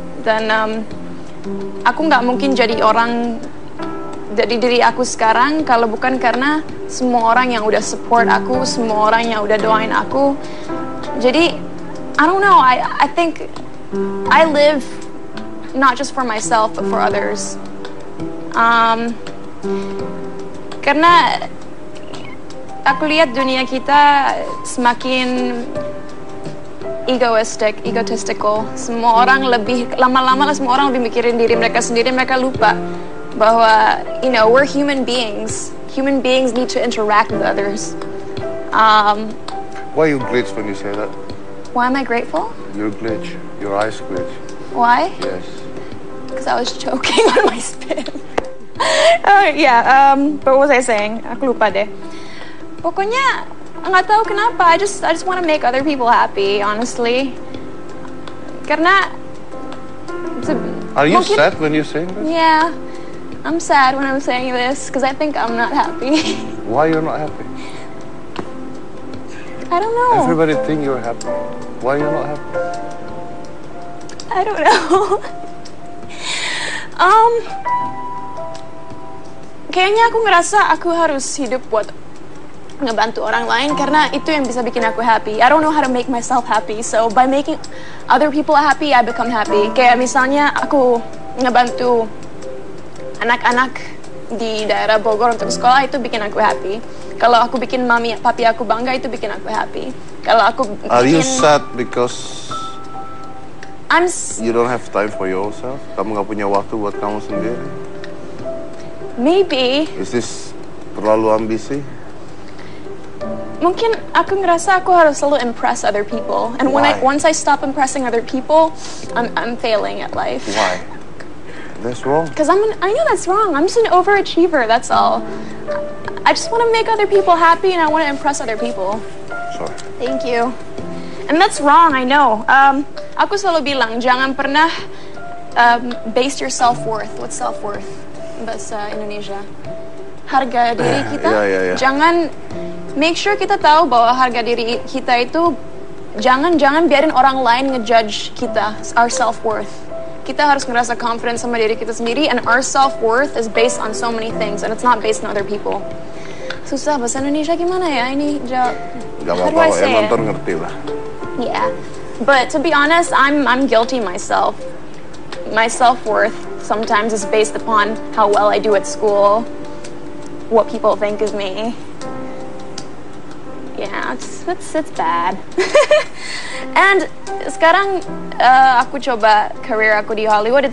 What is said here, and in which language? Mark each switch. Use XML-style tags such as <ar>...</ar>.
<id>Dan aku nggak mungkin jadi orang dari diri aku sekarang kalau bukan karena semua orang yang udah support aku, semua orang yang udah doain aku.</id> <en>Jadi, I don't know. I think I live not just for myself but for others.</en> <id>Karena aku lihat dunia kita semakin egotistical. Semua orang lebih lama-lama semua orang lebih mikirin diri mereka sendiri. Mereka lupa bahwa,</id> <en>you know, we're human beings. Human beings need to interact with others. Why are you glitch when you say that? Why am I grateful? You're glitch. Your eyes glitch. Why? Yes. Because I was choking on my spit. But what was I saying?</en> <id>Aku lupa deh. Pokoknya, nggak tahu kenapa.</id> <en>I just want to make other people happy, honestly.</en> <id>Karena</id> <en>are you sad when you're saying this? Yeah, I'm sad when I'm saying this because I think I'm not happy. Why you're not happy? I don't know. Everybody think you're happy. Why you're not happy? I don't know.</en> <id>Kayaknya aku ngerasa aku harus hidup buat ngebantu orang lain karena itu yang bisa bikin aku happy.</id> <en>I don't know how to make myself happy, so by making other people happy, I become happy.</en> <id>Kayak misalnya aku ngebantu anak-anak di daerah Bogor untuk sekolah, itu bikin aku happy. Kalau aku bikin mami papi aku bangga, itu bikin aku happy. Kalau aku bikin...</id> <en>Are you sad because you don't have time for yourself?</en> <id>Kamu gak punya waktu buat kamu sendiri?</id> <en>Maybe. Is this</en> <id>terlalu ambisi? Mungkin aku ngerasa aku harus selalu</id> <en>impress other people. And why? Once I stop impressing other people, I'm failing at life. Why? That's wrong. Because I know that's wrong. I'm just an overachiever, that's all. I just want to make other people happy and I want to impress other people. Sorry. Thank you. And that's wrong, I know.</en> <id>Aku selalu bilang, jangan pernah</id> <en>base your self-worth. What's self-worth?</en> <id>Bahasa Indonesia. Harga diri kita.</id> <en>Yeah.</en> <id>Jangan,</id> <en>make sure</en> <id>kita tahu bahwa harga diri kita itu jangan-jangan biarin orang lain ngejudge kita,</id> <en>our self-worth.</en> <id>Kita harus ngerasa confident sama diri kita sendiri, and our self-worth is based on so many things, and it's not based on other people. Susah, bahasa Indonesia gimana ya ini? Nonton ngerti lah.</id> <en>Yeah, but to be honest, I'm guilty myself. My self-worth sometimes is based upon how well I do at school, what people think of me. Yeah, it's bad. And</en> <id>sekarang aku coba career aku di Hollywood.</id>